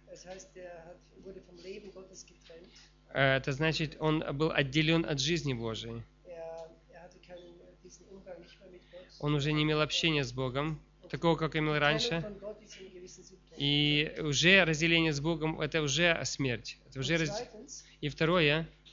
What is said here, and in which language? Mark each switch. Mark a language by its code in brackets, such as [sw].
[de] Das heißt, wurde vom Leben Gottes getrennt. [ru] Это значит, он был отделен от жизни Божией. [de] Hatte diesen Umgang nicht mehr mit Gott. [ru] Он уже не имел общения с Богом. Такого, как имел раньше. И уже разделение с Богом, это уже смерть. Это уже И второе.